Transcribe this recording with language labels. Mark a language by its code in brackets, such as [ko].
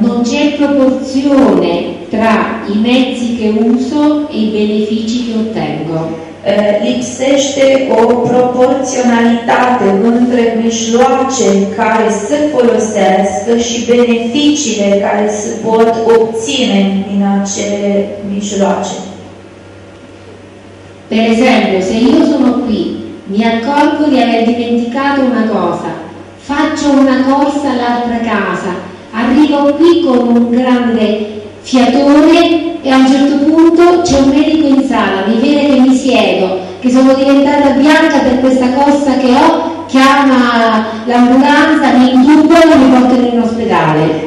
[it] Non c'è proporzione tra i mezzi che uso e i benefici che ottengo. [ro] Lipsește o proporționalitate între mijloace care se folosesc și beneficiile care se pot obține din acele mijloace. [it] Per esempio, se io sono qui, mi accorgo di aver dimenticato una cosa, faccio una corsa all'altra casa, arrivo qui con un grande fiatone e a un certo punto c'è un medico in sala, mi vede che mi siedo, che sono diventata bianca per questa corsa che ho, chiama l'ambulanza, mi inducono e mi portano in ospedale.